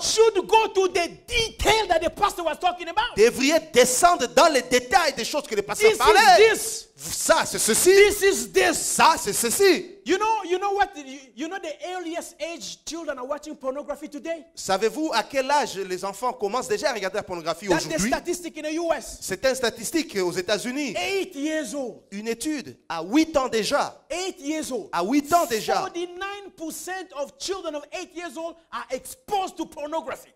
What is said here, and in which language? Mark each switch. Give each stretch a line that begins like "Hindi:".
English: should go to the detail that the pastor was talking about.
French: Devraient descendre dans les détails des choses que le pasteur
English: this
French: parlait.
English: Is this.
French: Ça c'est ceci.
English: This is this.
French: Ça c'est ceci.
English: You know the earliest age children are watching pornography today?
French: Savez-vous à quel âge les enfants commencent déjà à regarder la pornographie
English: that
French: aujourd'hui?
English: That's a statistic in the US.
French: C'est une statistique aux États-Unis.
English: 8 years old.
French: Une étude à 8 ans déjà.
English: 8 years old.
French: À 8 ans déjà.
English: 49% of children of 8 years old are exposed to pornography.